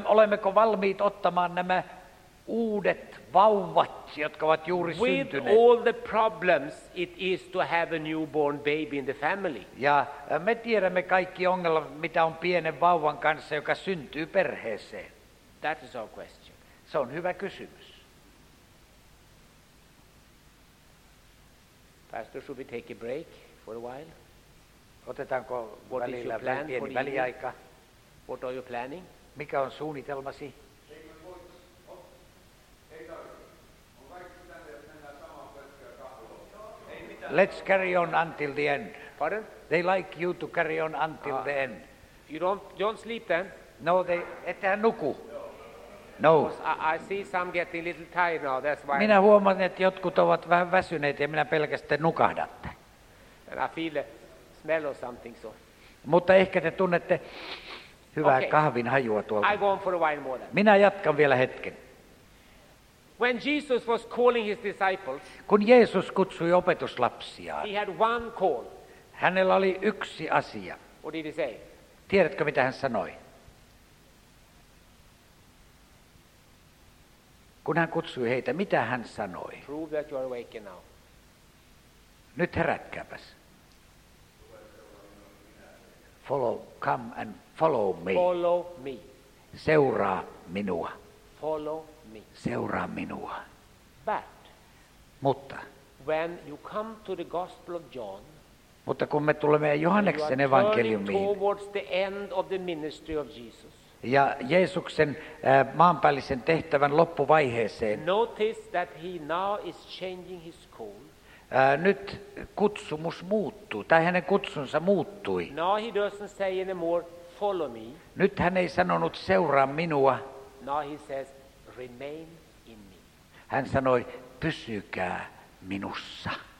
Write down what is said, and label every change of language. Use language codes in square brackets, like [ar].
[fi] olemmeko valmiit ottamaan nämä uudet vauvat, jotka ovat juuri syntyneet? [en] With all the problems it is to have a newborn baby in the family. [fi] Ja me tiedämme kaikki ongelmat, mitä on pienen vauvan kanssa, joka syntyy perheeseen. [en] That is our question. [fi] Se on hyvä kysymys. [en] Pastor, should we take a break for a while? [fi] Otetaanko [en] what [fi] välillä pieni väliaika? [en] What are you planning? [fi] Mikä on suunnitelmasi? [en] Let's carry on until the end. Pardon? They like you to carry on until the end. You don't sleep then? [fi] No, [en] they [fi] ettehän nuku. No. [en] I see some getting little tired now. That's why. [fi] Minä huomaan, että jotkut ovat vähän väsyneet ja minä pelkästään nukahdatte. [en] And I feel the smell of something, so. [fi] Mutta ehkä te tunnette hyvää kahvin hajua tuolta. [en] I go on for a while more then. [fi] Minä jatkan vielä hetken. [en] When Jesus was calling his disciples, [fi] kun Jeesus kutsui opetuslapsiaan, [en] he had one call. [fi] Hänellä oli yksi asia. [en] What did he say? [fi] Tiedätkö, mitä hän sanoi? Kun hän kutsui heitä, mitä hän sanoi? [en] Prove that you are awake now. [fi] Nyt herätkääpäs. [en] Come and follow me. Follow me. [fi] Seuraa minua. [en] Follow. [fi] Seuraa minua. [en] But, [fi] mutta [en] when you come to the gospel of John, [fi] mutta kun me tulemme Johanneksen evankeliumiin, [en] you are turning towards the end of the ministry of Jesus. [fi] Ja Jeesuksen maanpäällisen tehtävän loppuvaiheeseen. [en] Notice that he now is changing his call. [fi] Nyt kutsumus muuttuu. Tai hänen kutsunsa muuttui. [en] Now he doesn't say anymore follow me. [fi] Nyt hän ei sanonut seuraa minua. [en] Now he says remain in me. [fi] Hän sanoi, pysykää minussa.